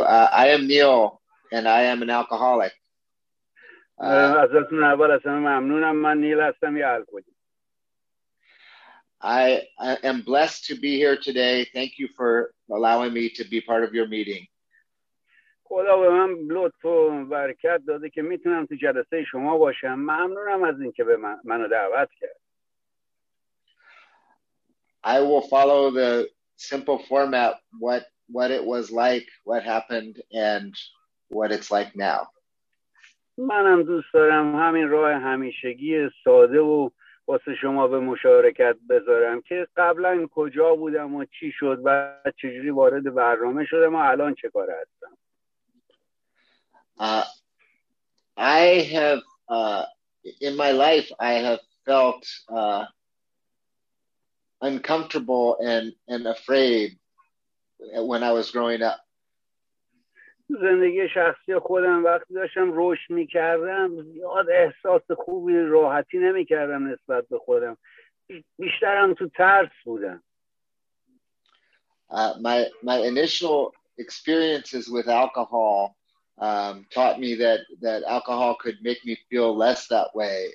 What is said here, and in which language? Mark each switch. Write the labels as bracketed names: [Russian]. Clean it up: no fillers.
[English] I am Neil, and I am an alcoholic. [Persian] ازتون اول اصلا ممنونم. من نیل هستم، یه الکلی. [English] I am blessed to be here today. Thank you for allowing me to be part of your meeting. [Persian] خدا به من لطف و برکت داده که میتونم تو جلسه شما باشم. ممنونم از اینکه به منو دعوت کرد. [English] I will follow the simple format, what it was like, what happened, and what it's like now. [Persian] منم دوست دارم همین راه همیشگی ساده و واسه شما به مشارکت بذارم که قبلا کجا بودم و چی شد و چجوری وارد برنامه شدم و الان چه کار هستم. [English] I have in my life I have felt uncomfortable and afraid when I was growing up. [Persian] زندگی شخصی خودم وقتی داشتم روش میکردم زیاد احساس خوبی راحتی نمیکردم نسبت به خودم، بیشترم تو ترس بودم. [English] My initial experiences with alcohol taught me that alcohol could make me feel less that way.